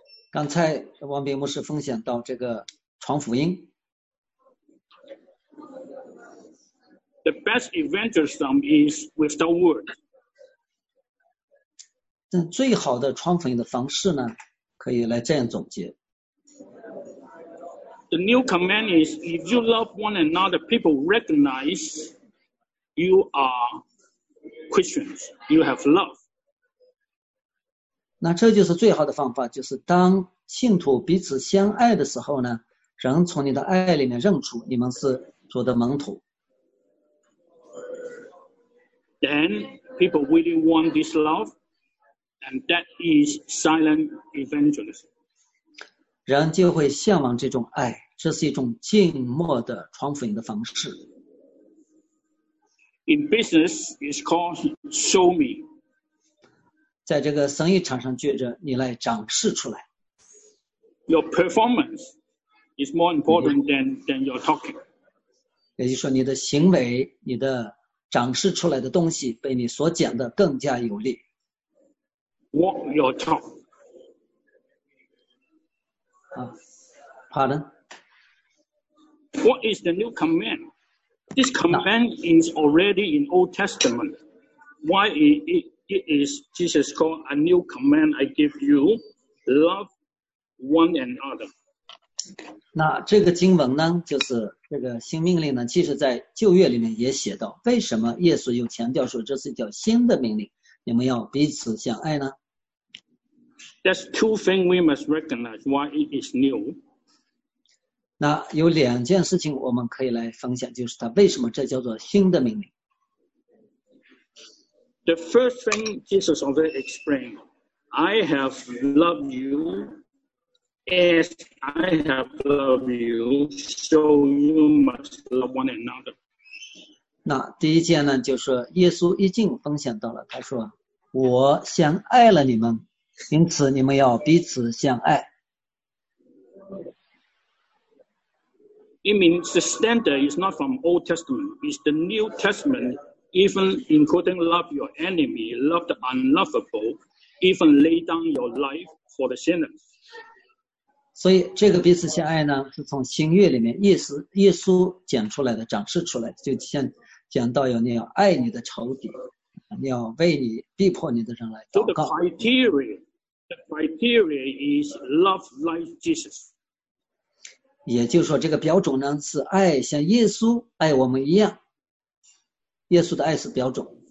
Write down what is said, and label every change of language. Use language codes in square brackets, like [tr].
[zh] 刚才王炳牧师分享到这个传福音。 [en] The best evangelism is with the word. [zh] 但最好的传福音的方式呢，可以来这样总结。 [en] The new command is: if you love one another, people recognize you are Christians. You have love. [zh] 那这就是最好的方法，就是当信徒彼此相爱的时候呢，人从你的爱里面认出你们是主的门徒。 [en] Then people really want this love, and that is silent evangelism. [zh] 人就会向往这种爱。这是一种静默的传福音的方式。 [en] In business, it's called show me. [zh] 在这个生意场上，觉着你来展示出来。 [en] Your performance is more important than your talking. [zh] 也就是说，你的行为、你的展示出来的东西，被你所讲的更加有力。 [en] Walk your talk. [zh] 啊，好的。 [en] What is the new command? This command is already in Old Testament. Why it is Jesus called a new command? I give you love one another. [zh] 那这个经文呢，就是这个新命令呢，其实在旧约里面也写到，为什么耶稣又强调说这是一条新的命令，你们要彼此相爱呢？ [en] That's two things we must recognize why it is new. [zh] 那有两件事情我们可以来分享，就是他为什么这叫做新的命令。 [en] The first thing Jesus already explained, I have loved you as I have loved you, so you must love one another. [zh] 那第一件呢，就是耶稣已经分享到了，他说，我先爱了你们，因此你们要彼此相爱。 [en] It means the standard is not from Old Testament, it's the New Testament, even including love your enemy, love the unlovable, even lay down your life for the sinners. [zh] 所以这个彼此相爱呢，是从新约里面耶稣讲出来的，展示出来的，就像讲到有你要爱你的仇敌，你要为你逼迫你的人来祷告。 [en] So the criteria is love like Jesus. [zh] 也就是说这个标准呢是爱像耶稣爱我们一样，耶稣的爱是标准。